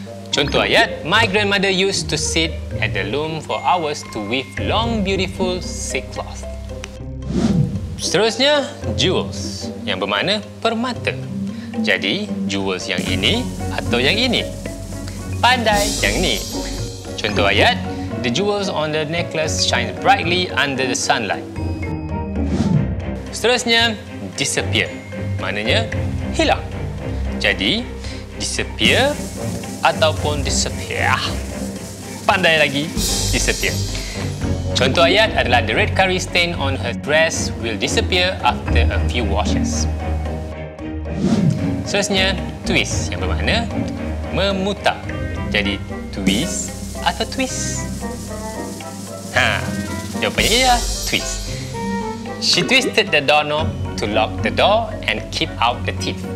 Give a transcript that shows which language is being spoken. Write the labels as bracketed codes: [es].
[ms] Contoh ayat, [en] my grandmother used to sit at the loom for hours to weave long, beautiful silk cloth. [ms] Seterusnya, jewels, yang bermakna permata. Jadi, jewels yang ini atau yang ini? Pandai yang ni. Contoh ayat, [en] the jewels on the necklace shine brightly under the sunlight. [ms] Seterusnya, disappear. Maknanya, hilang. Jadi, disappear ataupun disappear. Pandai lagi, disappear. Contoh ayat adalah [en] the red curry stain on her dress will disappear after a few washes. [ms] Seterusnya, twist yang bermakna memutar. Jadi, twist atau twist? Ha, jawapannya ialah twist. [en] She twisted the doorknob to lock the door and keep out the thief.